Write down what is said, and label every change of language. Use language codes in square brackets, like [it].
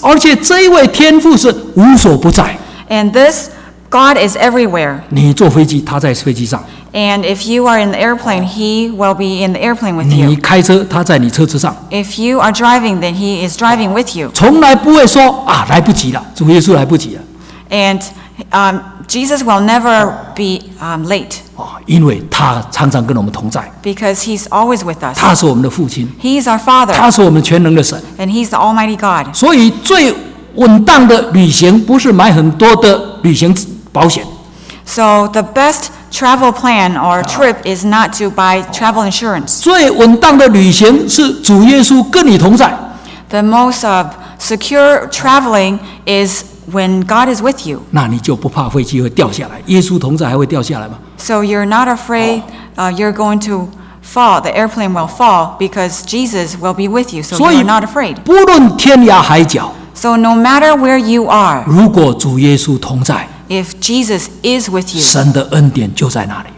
[zh] 而且这一位天父是无所不在。 [en] And this God is everywhere. [zh] 你坐飞机，他在飞机上。 [en] And if you are in the airplane, he will be in the airplane with you. [zh] 你开车，他在你车子上。 [en] If you are driving, then he is driving with you. [zh] 从来不会说啊，来不及了，主耶稣来不及了。 [en] And Jesus will never be late. [zh] 因为他常常跟我们同在。 [en] Because he's always with us. [zh] 他是我们的父亲。 [en] He is our father. [zh] 他是我们全能的神。 [en] And he's the almighty God. [zh] 所以最稳当的旅行不是买很多的旅行保险。 [en] So the best travel plan or trip is not to buy travel insurance. [zh] 最稳当的旅行是主耶稣跟你同在。 [en] The most secure traveling is when God is with you. [zh] 那你就不怕飞机会掉下来，耶稣同在还会掉下来吗？ [en] So you're not afraid you're going to fall, the airplane will fall because Jesus will be with you, so you're not afraid. [zh] 不论天涯海角。 [en] So no matter where you are, [zh] 如果主耶稣同在， [en] If Jesus is with you, [zh] 神的恩典就在那里。